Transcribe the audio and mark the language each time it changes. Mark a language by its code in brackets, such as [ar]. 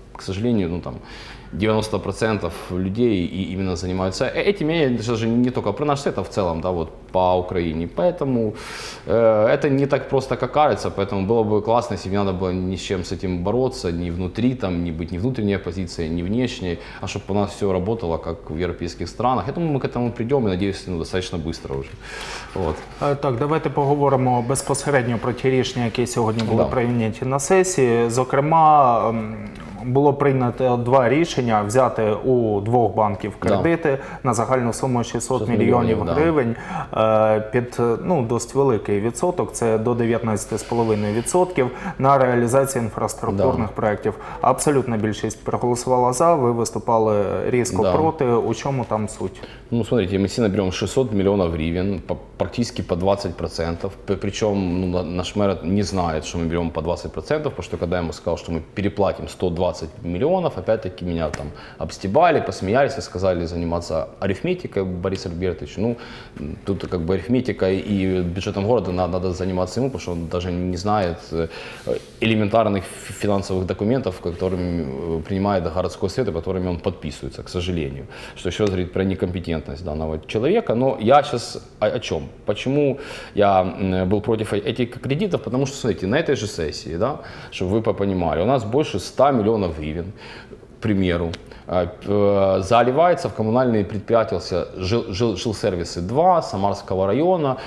[ru] к сожалению, ну там 90% людей и именно занимаются этим, я даже не только про наш сет, а в целом, да, вот по Украине. Поэтому это не так просто, как кажется, поэтому было бы классно, если бы не надо было ни с чем с этим бороться, ни внутри там, ни быть ни внутренней оппозиции, ни внешней, а чтобы у нас все работало, как в европейских странах. Я думаю, мы к этому придем, и надеюсь, ну, достаточно быстро уже. Вот. [uk] Так, давайте поговоримо безпосередньо про ті рішення, які сьогодні були прийняті на сесії. Зокрема, було прийнято два рішення – взяти у двох банків кредити на загальну суму 600 мільйонів гривень під досить великий відсоток, це до 19,5% на реалізацію інфраструктурних проєктів. Абсолютна більшість проголосувала за, ви виступали різко проти. У чому там суть? Ну, [ru] смотрите, [uk] ми всі наберемо 600 мільйонів гривень, практично по 20%. Причому наш мер не знає, що ми беремо по 20%, тому що коли я йому сказав, що ми переплатимо 120 мільйонів, [ru] опять-таки [uk] мене там обстебали, посміялися, сказали займатися арифметикою, Борис Альбертович. Ну, [ru] тут как бы [uk] арифметика і бюджетом міста треба займатися йому, тому що він навіть не знає елементарних фінансових документів, які приймає міський совет, якими він підписується, [ru] к сожалению. [uk] Що ще раз говорить про некомпетентність даного чоловіка. Ну, я зараз о чому? [ru] Почему я был против этих кредитов? Потому что, смотрите, на этой же сессии, да, чтобы вы понимали, у нас больше 100 миллионов гривень, к примеру, заливается в коммунальные предприятия жилсервисы 2 Самарского района.